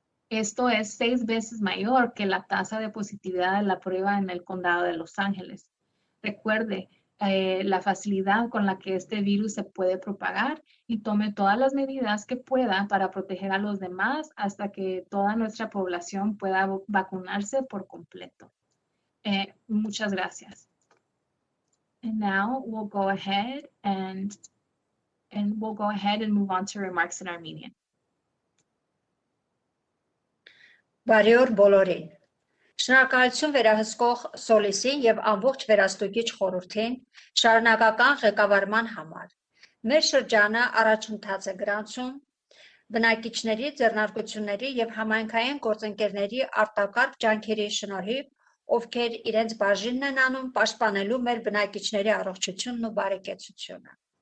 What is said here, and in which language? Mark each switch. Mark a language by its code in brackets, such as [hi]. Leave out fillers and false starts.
[es] Esto es 6 veces mayor que la tasa de positividad de la prueba en el condado de Los Ángeles. Recuerde la facilidad con la que este virus se puede propagar y tome todas las medidas que pueda para proteger a los demás hasta que toda nuestra población pueda vacunarse por completo. Muchas gracias. [en] And now we'll go ahead and we'll go ahead and move on to remarks in Armenian. [hy] Բարեօր բոլորին։ Շնորհակալություն վերահսկող Սոլիսի եւ ամբողջ վերաստուգիչ խորհրդին շարունակական ղեկավարման համար։ Մեր շրջանը առաջընթաց է գրանցում բնակիչների, ձեռնարկությունների եւ համայնքային գործընկերների արտակարգ ջանքերի շնորհիվ, ովքեր իրենց բաժինն են անում պաշտպանելու մեր բնակիչների առողջությունն ու բարեկեցությունը։